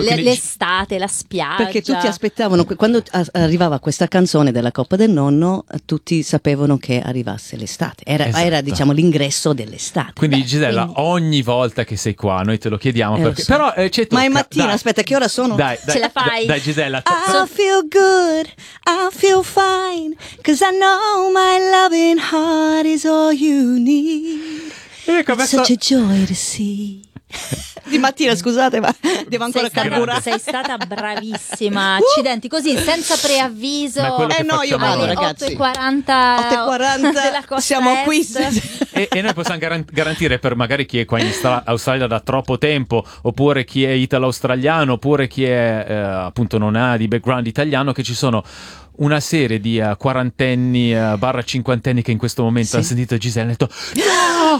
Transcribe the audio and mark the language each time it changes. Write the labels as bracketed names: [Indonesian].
[Italian] l'estate, la spiaggia. Perché tutti aspettavano, quando arrivava questa canzone della Coppa del Nonno, tutti sapevano che arrivasse l'estate, era diciamo l'ingresso dell'estate. Quindi Gisella, ogni volta che sei qua, noi te lo chiediamo, perché... Però c'è tocca. Ma è mattina. Aspetta, che ora sono? Dai, ce la fai? Dai Gisella, [English] I feel good, I feel fine, 'cause I know my loving heart is all you need. [Italian] Ecco, [English] it's such a joy to see. [Italian] Di mattina, scusate, ma devo ancora carburare. Sei stata bravissima. Accidenti, così, senza preavviso. Io vado, ragazzi. 8:40 della Costa, siamo qui. E noi possiamo garantire, per magari chi è qua in Australia da troppo tempo, oppure chi è italo-australiano, oppure chi è appunto non ha di background italiano, che ci sono una serie di quarantenni / cinquantenni che in questo momento hanno sentito Gisella e hanno detto: no!